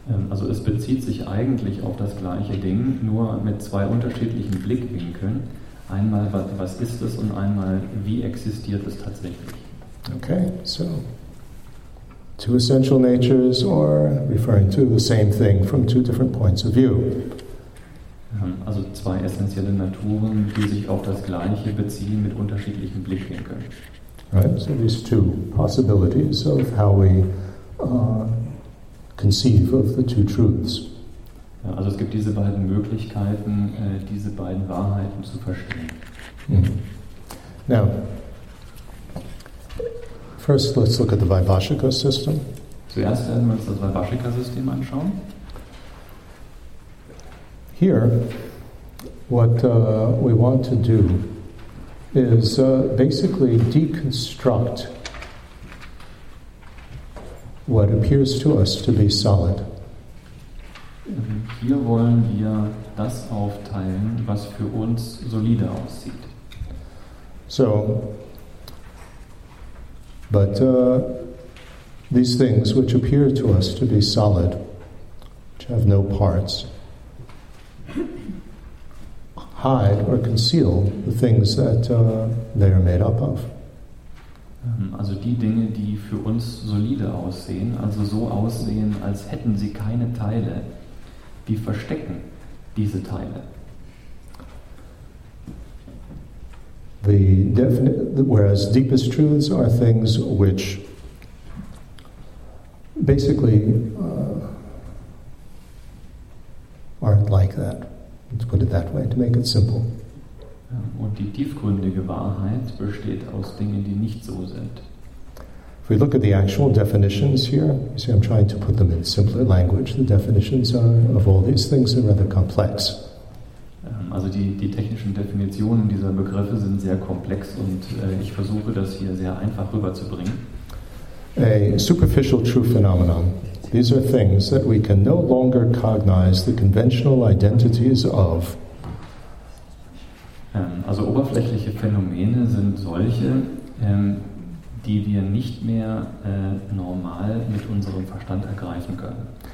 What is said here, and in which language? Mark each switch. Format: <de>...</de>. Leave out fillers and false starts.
<de>Also es bezieht sich eigentlich auf das gleiche Ding, nur mit zwei unterschiedlichen Blickwinkeln. Einmal, was ist es, und einmal, wie existiert es tatsächlich.</de> <en>Okay, so two essential natures are referring to the same thing from two different points of view.</en> <de>Also zwei essentielle Naturen, die sich auf das Gleiche beziehen mit unterschiedlichen Blickwinkeln.</de> <en>Right, so these two possibilities of how we conceive of the two truths.</en> <de>Ja, also es gibt diese beiden Möglichkeiten, diese beiden Wahrheiten zu verstehen.</de> <en>Now, first let's look at the Vaibhashika system.</en> <de>Zuerst werden wir uns das Vaibhashika-System anschauen.</de> <en>Here, what we want to do is basically deconstruct what appears to us to be solid.</en> <de>Hier wollen wir das aufteilen, was für uns solide aussieht.</de> <en>So, but these things which appear to us to be solid, which have no parts, hide or conceal the things that they are made up of.</en> <de>Also die Dinge, die für uns solide aussehen, also so aussehen, als hätten sie keine Teile, die verstecken diese Teile.</de> <en>The definite, whereas deepest truths are things which basically aren't like that. Let's put it that way to make it simple.</en> <de>Und die tiefgründige Wahrheit besteht aus Dingen, die nicht so sind.</de> <en>If we look at the actual definitions here, you see I'm trying to put them in simpler language. The definitions are of all these things are rather complex.</en> <de>Also die technischen Definitionen dieser Begriffe sind sehr komplex und ich versuche das hier sehr einfach rüberzubringen.</de> <en>A superficial true phenomenon. These are things that we can no longer cognize the conventional identities of.</en> <de>Also oberflächliche Phänomene sind solche, die wir nicht mehr normal mit unserem Verstand ergreifen können.</de>